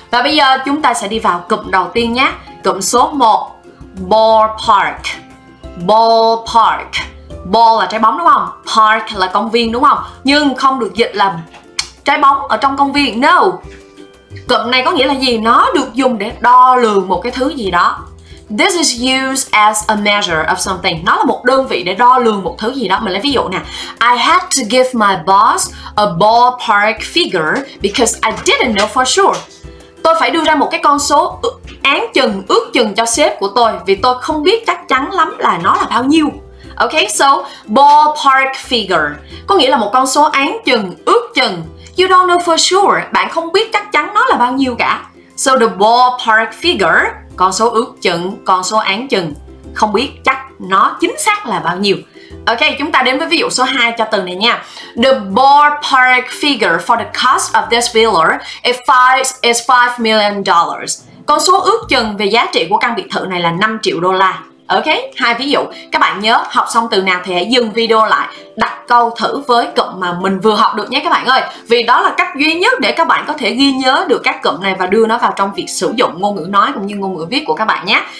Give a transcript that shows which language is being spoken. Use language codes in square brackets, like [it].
[vi] Và bây giờ chúng ta sẽ đi vào cụm đầu tiên nhé. Cụm số 1, ballpark. Ballpark. Ball là trái bóng đúng không? Park là công viên đúng không? Nhưng không được dịch là trái bóng ở trong công viên. No. Cụm này có nghĩa là gì? Nó được dùng để đo lường một cái thứ gì đó. [en] This is used as a measure of something. [vi] Nó là một đơn vị để đo lường một thứ gì đó. Mình lấy ví dụ nè. [en] I had to give my boss a ballpark figure because I didn't know for sure. [vi] Tôi phải đưa ra một cái con số án chừng, ước chừng cho sếp của tôi vì tôi không biết chắc chắn lắm là nó là bao nhiêu. Ok, so ballpark figure có nghĩa là một con số án chừng, ước chừng. [en] You don't know for sure. [vi] Bạn không biết chắc chắn nó là bao nhiêu cả. So the ballpark figure, con số ước chừng, con số án chừng, không biết chắc nó chính xác là bao nhiêu. Ok, chúng ta đến với ví dụ số 2 cho từ này nha. [en] The ballpark figure for the cost of this villa is $5 million. [vi] Con số ước chừng về giá trị của căn biệt thự này là $5 triệu. Ok, hai ví dụ. Các bạn nhớ học xong từ nào thì hãy dừng video lại, đặt câu thử với cụm mà mình vừa học được nhé các bạn ơi. Vì đó là cách duy nhất để các bạn có thể ghi nhớ được các cụm này và đưa nó vào trong việc sử dụng ngôn ngữ nói cũng như ngôn ngữ viết của các bạn nhé.